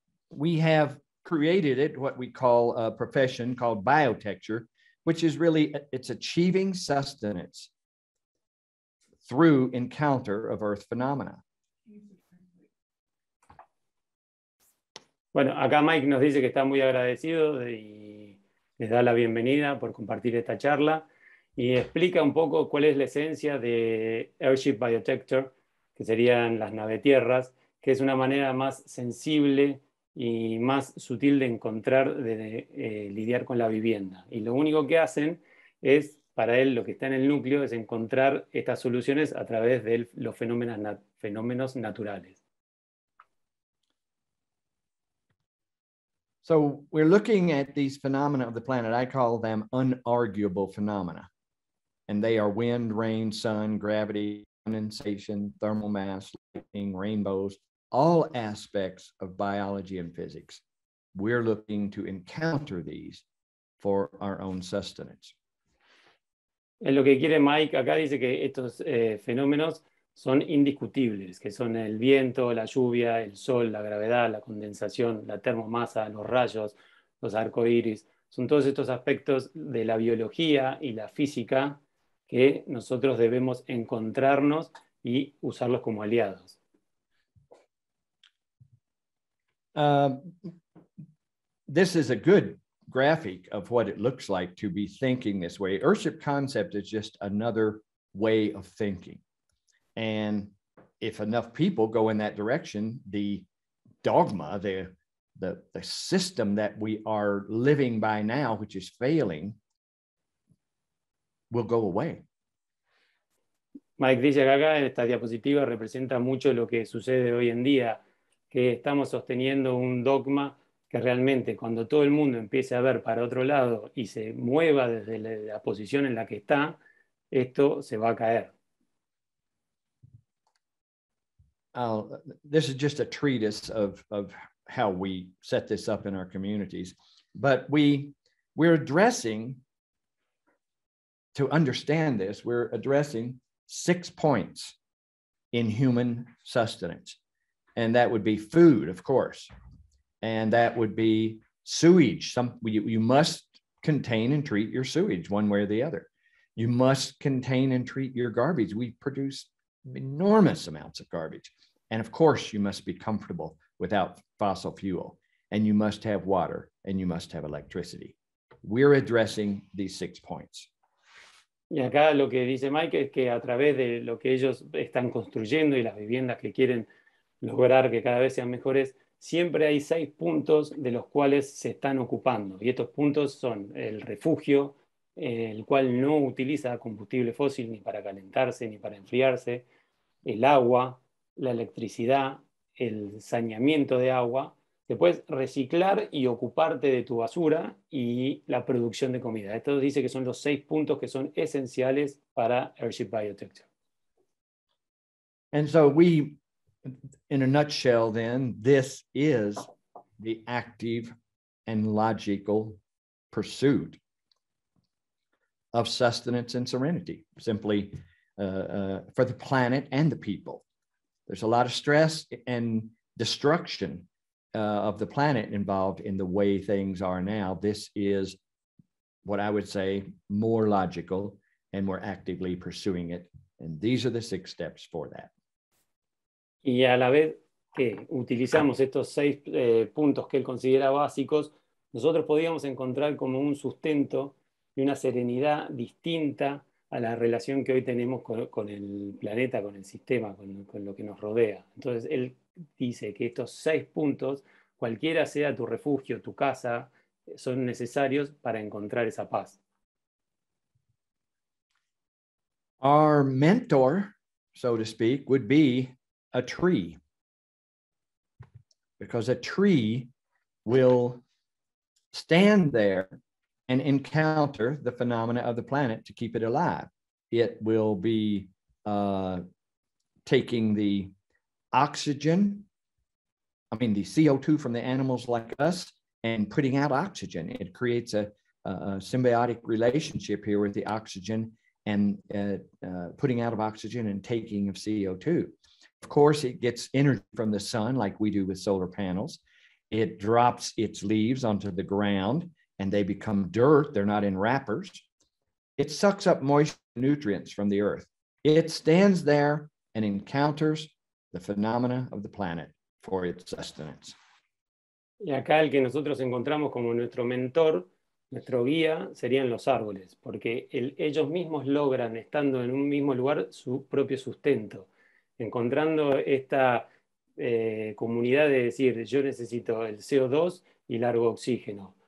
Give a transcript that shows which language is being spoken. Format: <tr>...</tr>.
<en>We have created it, what we call a profession called biotecture, which is really, it's achieving sustenance through encounter of earth phenomena.</en> <es>Bueno, acá Mike nos dice que está muy agradecido y les da la bienvenida por compartir esta charla y explica un poco cuál es la esencia de Earthship Biotecture, que serían las nave-tierras, que es una manera más sensible y más sutil de encontrar, de lidiar con la vivienda. Y lo único que hacen es, para él, lo que está en el núcleo, es encontrar estas soluciones a través de los fenómenos naturales.</es> <en>So, we're looking at these phenomena of the planet. I call them unarguable phenomena. And they are wind, rain, sun, gravity, condensation, thermal mass, lightning, rainbows, all aspects of biology and physics. We're looking to encounter these for our own sustenance.</en> <es>En lo que quiere Mike, acá dice que estos fenómenos son indiscutibles, que son el viento, la lluvia, el sol, la gravedad, la condensación, la termomasa, los rayos, los arcoíris. Son todos estos aspectos de la biología y la física que nosotros debemos encontrarnos y usarlos como aliados.</es> <en>This is a good graphic of what it looks like to be thinking this way. Earthship concept is just another way of thinking. And if enough people go in that direction, the dogma, the system that we are living by now, which is failing, will go away.</en> <es>Mike dice que acá en esta diapositiva representa mucho lo que sucede hoy en día, que estamos sosteniendo un dogma que realmente cuando todo el mundo empiece a ver para otro lado y se mueva desde la posición en la que está, esto se va a caer.</es> <en>This is just a treatise of how we set this up in our communities. But we're addressing, to understand this, we're addressing 6 points in human sustenance. And that would be food, of course. And that would be sewage. You must contain and treat your sewage one way or the other. You must contain and treat your garbage. We produce enormous amounts of garbage. And of course, you must be comfortable without fossil fuel, and you must have water, and you must have electricity. We're addressing these 6 points.</en> <es>Y acá lo que dice Mike es que a través de lo que ellos están construyendo y las viviendas que quieren lograr que cada vez sean mejores, siempre hay 6 puntos de los cuales se están ocupando. Y estos puntos son el refugio, el cual no utiliza combustible fósil ni para calentarse ni para enfriarse, el agua, la electricidad, el saneamiento de agua, después reciclar y ocuparte de tu basura y la producción de comida. Esto dice que son los 6 puntos que son esenciales para Earthship Biotech.</es> <en>And so we, in a nutshell then, this is the active and logical pursuit of sustenance and serenity, simply for the planet and the people. There's a lot of stress and destruction of the planet involved in the way things are now. This is what I would say more logical, and we're actively pursuing it. And these are the 6 steps for that.</en> <es>Y a la vez que utilizamos estos 6 puntos que él considera básicos, nosotros podíamos encontrar como un sustento y una serenidad distinta a la relación que hoy tenemos con el planeta, con el sistema, con lo que nos rodea. Entonces, él dice que estos 6 puntos, cualquiera sea tu refugio, tu casa, son necesarios para encontrar esa paz.</es> <en>Our mentor, so to speak, would be a tree. Because a tree will stand there and encounter the phenomena of the planet to keep it alive. It will be taking the oxygen, I mean the CO2 from the animals like us, and putting out oxygen. It creates a symbiotic relationship here with the oxygen and putting out of oxygen and taking of CO2. Of course, it gets energy from the sun like we do with solar panels. It drops its leaves onto the ground and they become dirt. They're not in wrappers. It sucks up moist nutrients from the earth. It stands there and encounters the phenomena of the planet for its sustenance.</en> <es>Y acá el que nosotros encontramos como nuestro mentor, nuestro guía, serían los árboles, porque ellos mismos logran, estando en un mismo lugar, su propio sustento. Encontrando esta comunidad de decir, yo necesito el CO2 y largo oxígeno.</es>